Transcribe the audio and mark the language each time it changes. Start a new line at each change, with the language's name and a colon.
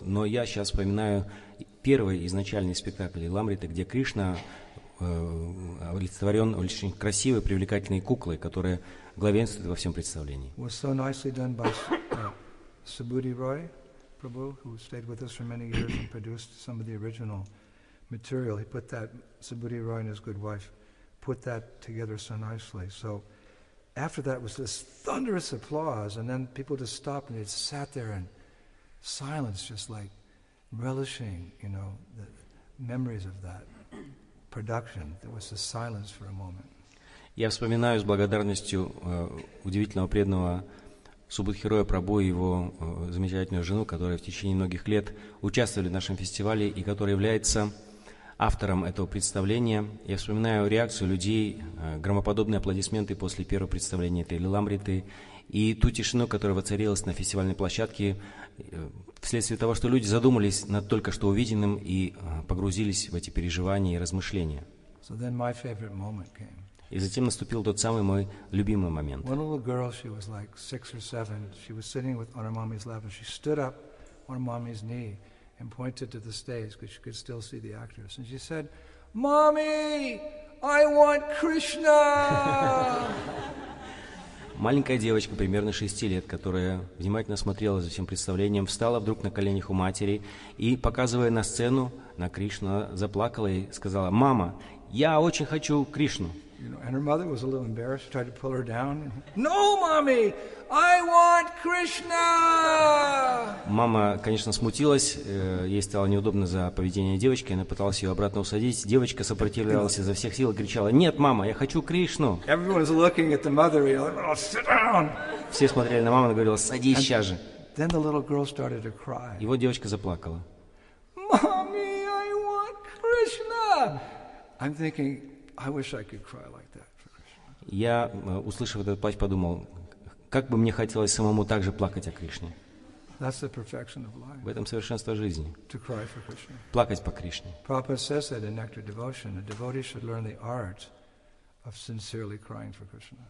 Russian: Но я сейчас вспоминаю первый изначальный спектакль Лиламрита, где Кришна олицетворен очень красивой, привлекательной куклой, которая главенствует во всем представлении.
English: Was so nicely done by Subhuti Roy Prabhu, who stayed with us for many years and produced some of the original material. He put that, Subhuti Roy and his good wife, put that together so nicely. So after that was this thunderous applause, and then people just stopped and they sat there in silence, just like relishing, you know, the memories of that. Production. There was a silence for a moment.
Russian: Я вспоминаю с благодарностью удивительного преданного Субудхи Роя Прабу и его замечательную жену, которая в течение многих лет участвовали в нашем фестивале и которая является автором этого представления. Я вспоминаю реакцию людей, громоподобные аплодисменты после первого представления этой Лиламриты и ту тишину, которая воцарилась на фестивальной площадке вследствие того, что люди задумались над только что увиденным и погрузились в эти переживания и размышления.
English: So then my favorite moment came.
Russian: И затем наступил тот самый мой любимый момент.
English: One little girl, she was like six or seven, she was sitting with on her mommy's lap, and she stood up on her mommy's knee and pointed to the stage, because she could still see the actress, and she said, "Mommy, I want Krishna!"
Russian: Маленькая девочка, примерно 6 лет, которая внимательно смотрела за всем представлением, встала вдруг на коленях у матери и, показывая на сцену, на Кришну, заплакала и сказала: «Мама, я очень хочу Кришну».
English: You know, and her mother was a little embarrassed, tried to pull her down. No, mommy, I want Krishna!
Russian: Мама, конечно, смутилась, ей стало неудобно за поведение девочки, она пыталась ее обратно усадить. Девочка сопротивлялась изо всех сил и кричала: «Нет, мама, я хочу Кришну!»
English: Everyone's looking at the mother, you're like, oh, sit down!
Russian: Все смотрели на маму, она говорила: «Садись сейчас же!»
English: Then the little girl started to cry.
Russian: И вот девочка заплакала.
English: Mommy, I want Krishna! I'm thinking... I wish I could cry like that for Krishna.
Russian: Я, услышав этот плач, подумал, как бы мне хотелось самому так же плакать о Кришне.
English: That's the perfection of life.
Russian: В этом совершенство жизни.
English: To cry for Krishna.
Russian: Плакать по Кришне.
English: Prabhupada says that in Nectar Devotion, a devotee should learn the art of sincerely crying for Krishna.